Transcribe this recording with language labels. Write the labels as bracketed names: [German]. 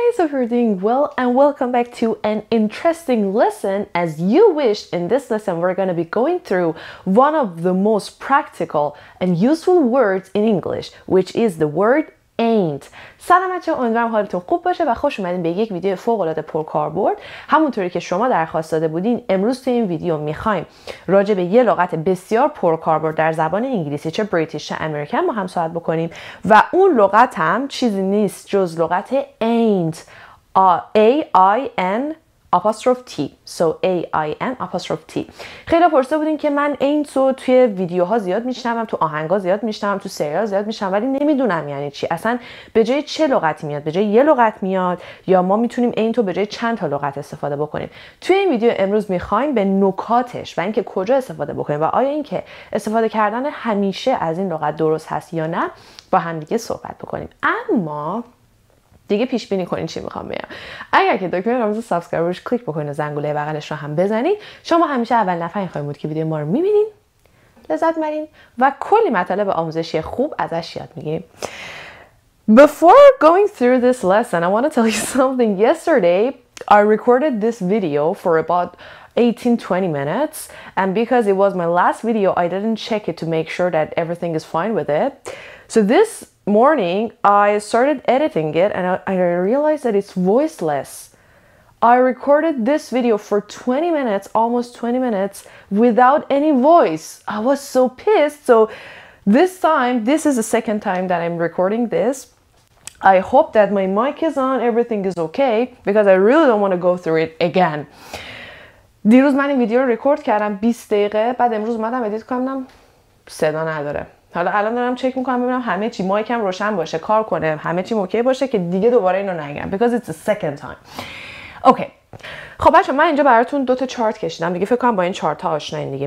[English] you're doing well and welcome back to an interesting lesson as you wish. In this lesson, we're going to be going through one of the most practical and useful words in English, which is the word ain't. [Persian] سلام بچه‌ها، امیدوارم حالتون خوب باشه و خوش اومدین به یک ویدیو فوق‌العاده پرکاربرد. همونطوری که شما درخواست داده بودین، امروز توی این ویدیو می‌خوایم راجع به یه لغت بسیار پرکاربرد در زبان انگلیسی، چه بریتیش چه امریکن، با هم صحبت بکنیم و اون لغت هم چیزی نیست جز لغت ain't. A-I-N apostrophe T. So A-I-N apostrophe T. خیلی پرسیده بودین که من ain't رو توی ویدیوها زیاد میشنوم، تو آهنگا زیاد میشنوم، تو سریال زیاد میشنوم، ولی نمیدونم یعنی چی. اصلا به جای چه لغتی میاد؟ به جای یه لغت میاد یا ما میتونیم ain't رو به جای چند تا لغت استفاده بکنیم؟ توی این ویدیو امروز میخوایم به نکاتش و اینکه کجا استفاده بکنیم و آیا اینکه استفاده کردن همیشه از این لغت درست هست یا نه با هم دیگه صحبت بکنیم. اما دیگه پیش بینی کنین چی میخوام بگم. اگر که دکمه رمز سابسکرایب روش کلیک بکنین و زنگوله بغلش رو هم بزنین، شما همیشه اول نفر خواهیم بود که ویدیو ما رو میبینین، لذت میبرین و کلی مطالب آموزشی خوب ازش یاد میگیریم. [English] Before going through this lesson, I want to tell you something. Yesterday, I recorded this video for about 18-20 minutes, and because it was my last video, I didn't check it to make sure that everything is fine with it. So this morning I started editing it and I realized that it's voiceless. I recorded this video for 20 minutes, almost 20 minutes, without any voice. I was so pissed. So this is the second time that I'm recording this. I hope that my mic is on, everything is okay, because I really don't want to go through it again. [Persian] دیروز من این ویدیو رو ریکورد کردم 20 دقیقه، بعد امروز اومدم ادیت کنم، صدا نداره. حالا الان دارم چک میکنم ببینم همه چی مایکم روشن باشه، کار کنه، همه چی اوکی باشه که دیگه دوباره اینو نگم، [English] because it's the second time. [Persian] اوکی. خب بچه‌ها، من اینجا براتون دو تا چارت کشیدم دیگه، فکر کنم با این چارت ها آشنایین دیگه.